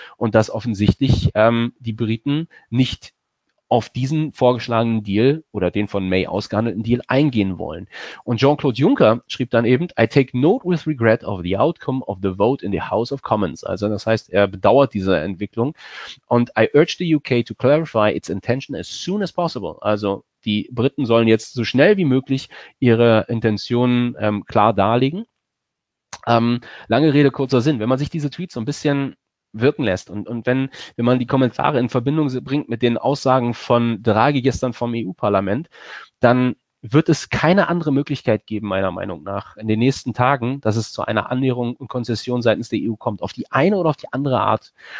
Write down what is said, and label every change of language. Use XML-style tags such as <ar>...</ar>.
<de>Und dass offensichtlich die Briten nicht auf diesen vorgeschlagenen Deal oder den von May ausgehandelten Deal eingehen wollen. Und Jean-Claude Juncker schrieb dann eben,</de> <en>I take note with regret of the outcome of the vote in the House of Commons.</en> <de>Also das heißt, er bedauert diese Entwicklung. Und</de> <en>I urge the UK to clarify its intention as soon as possible.</en> <de>Also die Briten sollen jetzt so schnell wie möglich ihre Intentionen klar darlegen. Lange Rede, kurzer Sinn. Wenn man sich diese Tweets so ein bisschen wirken lässt und wenn man die Kommentare in Verbindung bringt mit den Aussagen von Draghi gestern vom EU-Parlament, dann wird es keine andere Möglichkeit geben, meiner Meinung nach, in den nächsten Tagen, dass es zu einer Annäherung und Konzession seitens der EU kommt, auf die eine oder auf die andere Art.</de>